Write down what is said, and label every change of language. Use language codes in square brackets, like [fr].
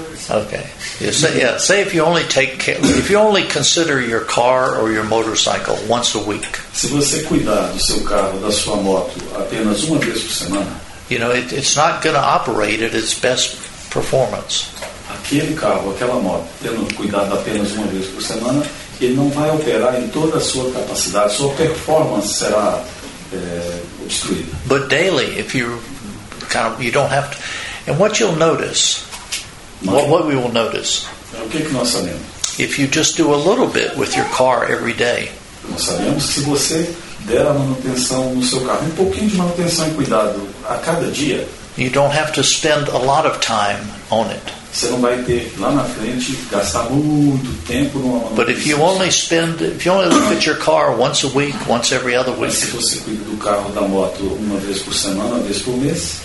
[en] Okay. Say if you only consider your car or your motorcycle once a week. [pt] Se você cuidar do seu carro, da sua moto, apenas uma vez por semana. [en] You know, it's not going to operate at its best performance. [pt] Aquele carro, aquela moto, tendo cuidado apenas uma vez por semana, ele não vai operar em toda a sua capacidade. Sua performance será obstruída. [en] But daily, if you kind of, you don't have to, and what you'll notice. What we will notice. [pt] O que é que nós sabemos? [en] If you just do a little bit with your car every day. [pt] Nós sabemos que se você der a manutenção no seu carro, um pouquinho de manutenção e cuidado a cada dia. [en] You don't have to spend a lot of time on it. [pt] Você não vai ter lá na frente gastar muito tempo numa manutenção. [en] But if you only look at your car once a week, once every other week. [pt] Mas se você cuida do carro, da moto uma vez por semana, uma vez por mês.